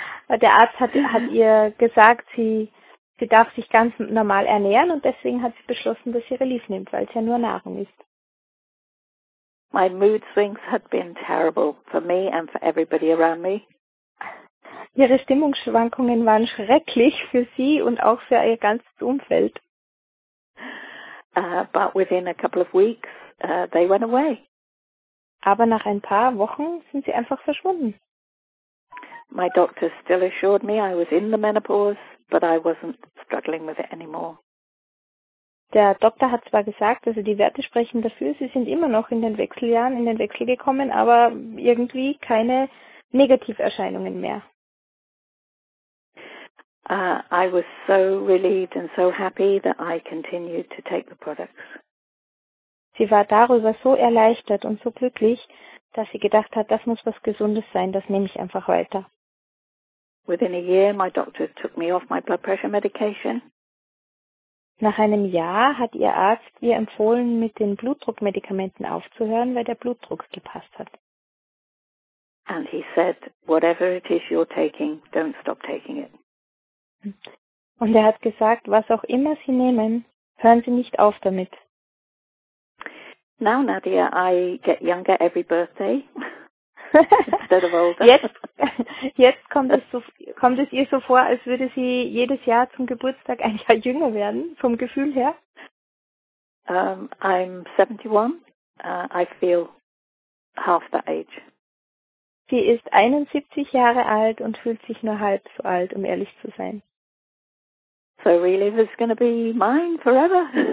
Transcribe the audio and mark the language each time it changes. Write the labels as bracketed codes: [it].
[de] Der Arzt hat ihr gesagt, sie sie darf sich ganz normal ernähren und deswegen hat sie beschlossen, dass sie Relief nimmt, weil es ja nur Nahrung ist. [en] My mood swings had been terrible for me and for everybody around me. [de] Ihre Stimmungsschwankungen waren schrecklich für sie und auch für ihr ganzes Umfeld. [en] But within a couple of weeks, they went away. [de] Aber nach ein paar Wochen sind sie einfach verschwunden. [en] My doctor still assured me I was in the menopause, but I wasn't struggling with it anymore. [de] Der Doktor hat zwar gesagt, also die Werte sprechen dafür, sie sind immer noch in den Wechseljahren, in den Wechsel gekommen, aber irgendwie keine Negativerscheinungen mehr. [en] I was so relieved and so happy that I continued to take the products. [de] Sie war darüber so erleichtert und so glücklich, dass sie gedacht hat, das muss was Gesundes sein, das nehme ich einfach weiter. [en] Within a year, my doctor took me off my blood pressure medication. [de] Nach einem Jahr hat ihr Arzt ihr empfohlen, mit den Blutdruckmedikamenten aufzuhören, weil der Blutdruck gepasst hat. [en] And he said, whatever it is you're taking, don't stop taking it. [de] Und er hat gesagt, was auch immer Sie nehmen, hören Sie nicht auf damit. [en] Now, Nadia, I get younger every birthday. Instead of older. [de] Jetzt kommt es ihr so vor, als würde sie jedes Jahr zum Geburtstag ein Jahr jünger werden, vom Gefühl her. [en] I'm 71. I feel half that age. [de] Sie ist 71 Jahre alt und fühlt sich nur halb so alt, um ehrlich zu sein. [en] So really, this is gonna be mine forever.